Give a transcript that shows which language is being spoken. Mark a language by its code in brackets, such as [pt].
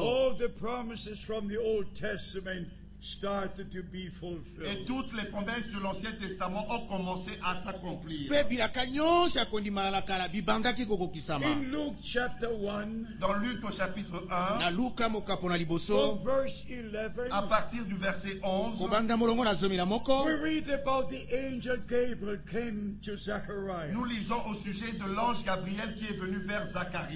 [en] All the promises from the Old Testament started to be fulfilled. [fr] Et toutes les promesses de l'Ancien Testament ont commencé à s'accomplir. [en] In Luke chapter 1, [fr] dans Luc chapitre 1, [ln] na Luke mokapona liboso, [en] verse 11, [fr] à partir du verset 11, [ln] kobanda molongo na zomi na moko, [en] we read about the angel Gabriel came to Zachariah. [fr] Nous lisons au sujet de l'ange Gabriel qui est venu vers Zacharie.